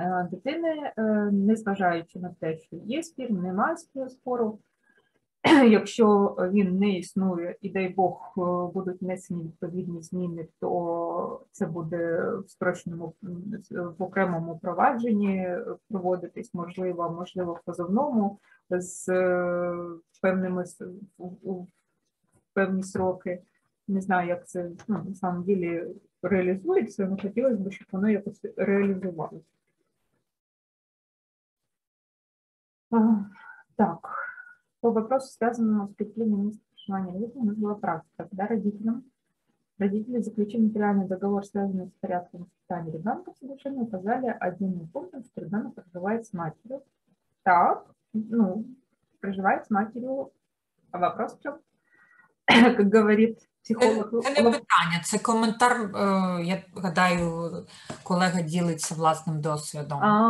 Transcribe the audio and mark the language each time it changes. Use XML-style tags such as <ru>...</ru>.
<uk>дитини, незважаючи на те, що є спір, немає спору, якщо він не існує, і дай Бог, будуть внесені відповідні зміни, то це буде в спрощеному, в окремому провадженні проводитись, можливо, можливо, в позовному, з певними, в певні</uk> <ru>сроки.</ru> <uk>Не знаю, як це, ну,</uk> <ru>на самом</ru> <uk>ділі реалізується, але хотілося б, щоб воно якось реалізувалося.</uk> <ru>Так, по вопросу связанному с прикреплением места проживания родителей, у нас была практика, когда родители заключили материальный договор, связанный с порядком воспитания ребенка, совершенно указали отдельным пунктом, что ребенок проживает с матерью. Так, ну, проживает с матерью, а вопрос в чем? Как говорит психолог. Это не</ru> <uk>питання, це коментар, я гадаю, колега ділиться власним досвідом.</uk>